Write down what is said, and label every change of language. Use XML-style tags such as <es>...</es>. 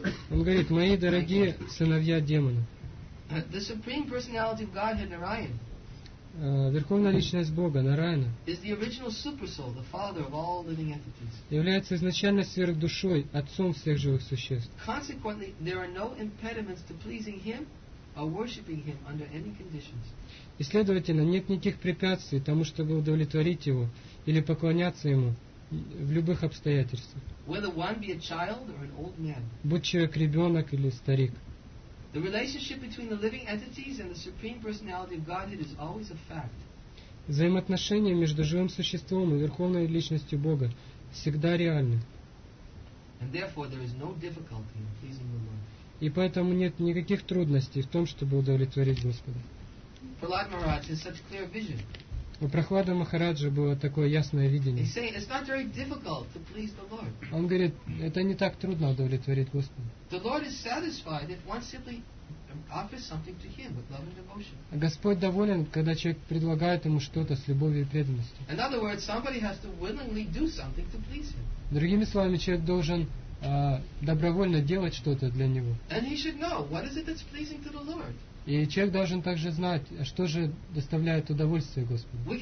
<ru>Он говорит, мои дорогие сыновья демонов.</ru> <en>The Supreme Personality of Godhead, Narayan.</en> <ru>Верховная личность Бога, Нараяна.</ru> <en>Is the original super soul, the father of all living entities.</en> <ru>Является изначально сверхдушой, отцом всех живых существ.</ru> <en>Consequently, there are no impediments to pleasing him or worshiping him under any conditions.</en> <ru>И следовательно, нет никаких препятствий тому, чтобы удовлетворить его или поклоняться ему в любых обстоятельствах.</ru> <en>Whether one be a child or an old man.</en> <ru>Будь человек ребенок или старик.</ru> <en>The relationship between the living entities and the Supreme Personality of Godhead is always a fact.</en> <ru>Взаимоотношения между живым существом и Верховной Личностью Бога всегда реальны.</ru> <en>And therefore there is no difficulty in pleasing the Lord.</en> <ru>И поэтому нет никаких трудностей в том, чтобы удовлетворить Господа.</ru> <en>Prahlada Maharaj has such clear vision.</en> <ru>У Прохлады Махараджи было такое ясное видение.</ru> <en>He's saying, it's not very difficult to please the Lord.</en> <ru>Он говорит, это не так трудно удовлетворить Господа.</ru> <en>The Lord is satisfied if one simply offers something to him with love and devotion.</en> <ru>Господь доволен, когда человек предлагает ему что-то с любовью и преданностью.</ru> <en>In other words, somebody has to willingly do something to please him.</en> <ru>Другими словами, человек должен добровольно делать что-то для него.</ru> <en>And he should know what is it that's pleasing to the Lord.</en> <ru>И человек должен также знать, что же доставляет удовольствие Господу.</ru>